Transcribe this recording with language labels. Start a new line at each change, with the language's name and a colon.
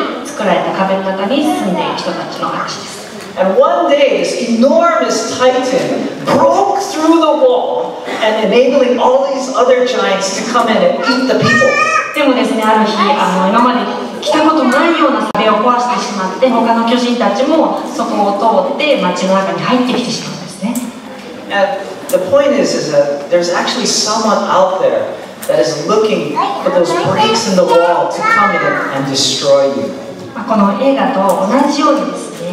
Japanese: 街の周りにですね、50メートル以上の城壁があって、巨人が中に入ってきて人を食べてしまうんですけども、その巨人たちが入れないように作られた壁の中に住んでいる人たちの話です。
English: And one day, this enormous titan broke through the wall and enabling all these other giants to come in and eat the people.
Japanese: でもですね、ある日、今まで来たこともないような壁を壊してしまって、他の巨人たちもそこを通って街の中に入ってきてしまうんですね。And
English: the point is that there's actually someone out there that is looking for those breaks in the wall to come in and destroy you.
Japanese: この映画と同じようにです。